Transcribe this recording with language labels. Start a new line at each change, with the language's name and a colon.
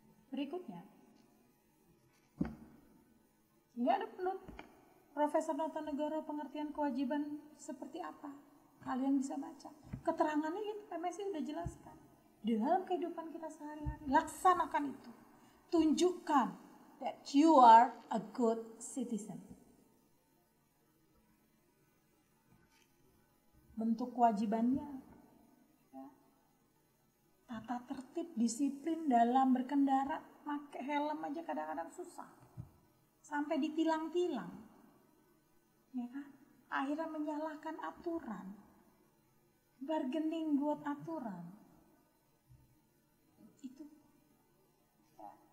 Indonesian: Berikutnya, ini ada penut Profesor Nata Negara pengertian kewajiban seperti apa. Kalian bisa baca. Keterangannya itu PMSI sudah jelaskan. Dalam kehidupan kita sehari-hari, laksanakan itu.
English: Tunjukkan that you are a good citizen.
Indonesian: Bentuk kewajibannya, ya. Tata tertib, disiplin dalam berkendara, pakai helm aja kadang-kadang susah, sampai ditilang-tilang, ya kan? Akhirnya menyalahkan aturan, bargaining buat aturan, itu ya.